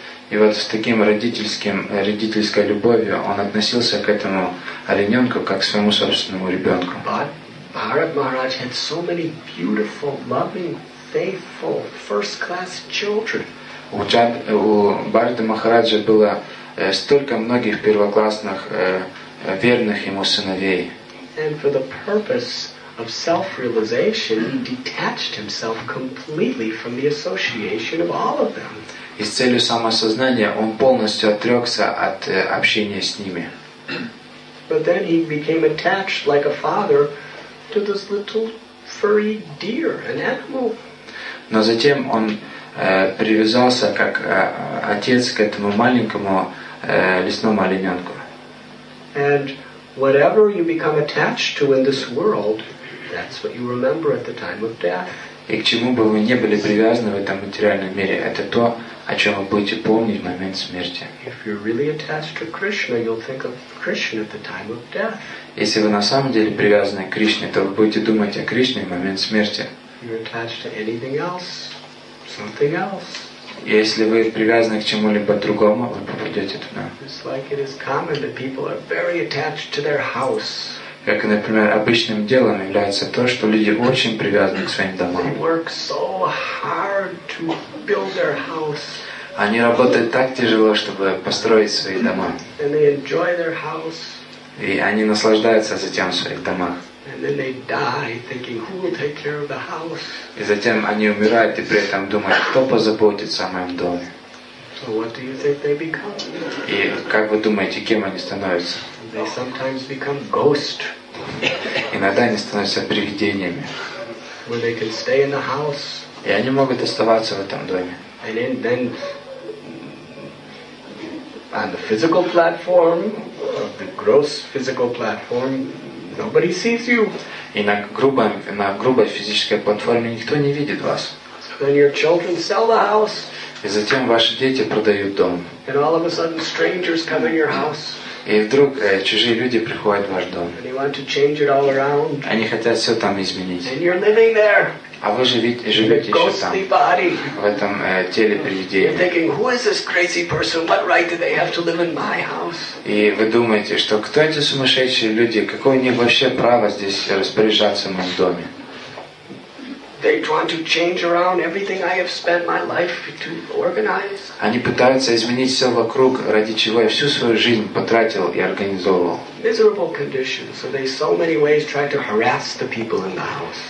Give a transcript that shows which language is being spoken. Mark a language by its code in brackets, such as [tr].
[ru] И вот с таким родительской любовью он относился к этому олененку как к своему собственному ребенку. [en] Bharat Maharaj had so many beautiful, loving, faithful, first-class children. [ru] У Бхарата Махараджа было столько многих первоклассных верных ему сыновей. [en] And for the purpose of self-realization, he detached himself completely from the association of all of them. [ru] И с целью самосознания он полностью отрекся от общения с ними. [en] But then he became attached like a father to this little furry deer, an animal. [ru] Но затем он привязался как отец к этому маленькому лесному олененку. [en] And whatever you become attached to in this world, that's what you remember at the time of death. [ru] И к чему бы вы не были привязаны в этом материальном мире, это то, о чем вы будете помнить в момент смерти. [en] If you're really attached to Krishna, you'll think of Krishna at the time of death. [ru] Если вы на самом деле привязаны к Кришне, то вы будете думать о Кришне в момент смерти. [en] You're attached to anything else, something else. [ru] Если вы привязаны к чему-либо другому, вы попадете туда. [en] It's like it is common that people are very attached to their house. [ru] Как, например, обычным делом является то, что люди очень привязаны к своим домам. [en] They work so hard to build their house. [ru] Они работают так тяжело, чтобы построить свои дома. [en] And they enjoy their house. [ru] И они наслаждаются затем в своих домах. [en] And then they die thinking, who will take care of the house? [ru] И затем они умирают и при этом думают, кто позаботится о моем доме. [en] So what do you think they become? [ru] И как вы думаете, кем они становятся? [en] They sometimes become ghosts. [ru] Иногда они становятся привидениями. [en] Where they can stay in the house. [ru] И они могут оставаться в этом доме. [en] And then on the physical platform, of the gross physical platform, nobody sees you. [ru] И на грубой физической платформе никто не видит вас. [en] So then your children sell the house. [ru] И затем ваши дети продают дом. [en] And all of a sudden strangers come in your house. [ru] И вдруг чужие люди приходят в ваш дом. [en] And they want to change it all around. [ru] Они хотят все там изменить. [en] And you're living there. [ru] А вы живете еще там. [en] Body. [ru] В этом теле привидения. [en] You're thinking, who is this crazy person? What right do they have to live in my house? [ru] И вы думаете, что кто эти сумасшедшие люди? Какое у них вообще право здесь распоряжаться в моем доме? [en] They want to change around everything I have spent my life to organize. [ru] Они пытаются изменить все вокруг, ради чего я всю свою жизнь потратил и организовывал. [en] Miserable condition. So they so many ways try to harass the people in the house.